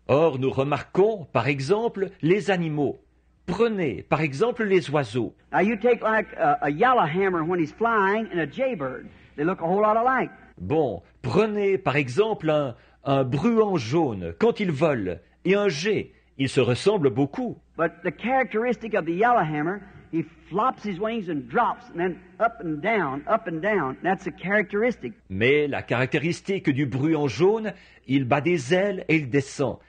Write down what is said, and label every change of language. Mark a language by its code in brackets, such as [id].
[fr] Or, nous remarquons, par exemple, les animaux. Prenez, par exemple, les oiseaux. [en] Now you take like a yellowhammer when he's flying and a jaybird. They look a whole lot alike. [fr] Bon, prenez, par exemple, un bruant jaune quand il vole et un jay. Ils se ressemblent beaucoup. [en] But the characteristic of the yellowhammer, he flops his wings and drops, and then up and down, that's a characteristic. [fr] Mais la caractéristique du bruant jaune, il bat des ailes et il descend.